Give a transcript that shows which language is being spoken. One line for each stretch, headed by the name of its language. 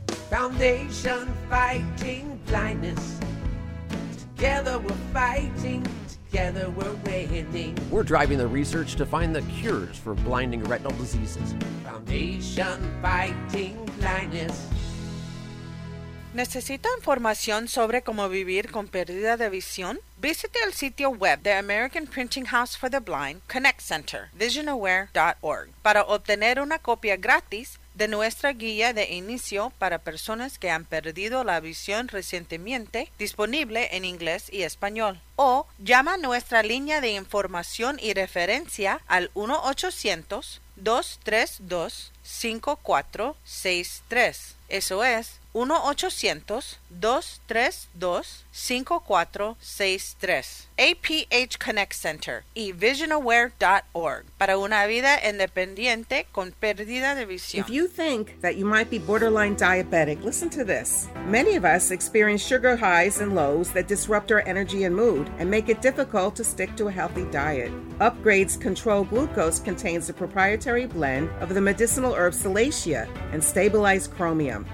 English: Foundation fighting blindness. Together we're fighting together. Together we're winning. We're driving the research to find the cures for blinding retinal diseases. Foundation Fighting Blindness.
Spanish: ¿Necesita información sobre cómo vivir con pérdida de visión? Visite el sitio web de American Printing House for the Blind, Connect Center, visionaware.org, para obtener una copia gratis de nuestra guía de inicio para personas que han perdido la visión recientemente, disponible en inglés y español. O llama a nuestra línea de información y referencia al 1-800-232-5463. Eso es 1-800-232-5463. APH Connect Center y visionaware.org para una vida independiente con pérdida de visión.
English: If you think that you might be borderline diabetic, listen to this. Many of us experience sugar highs and lows that disrupt our energy and mood and make it difficult to stick to a healthy diet. Upgrade's Control Glucose contains a proprietary blend of the medicinal herb Salacia and stabilized chromium.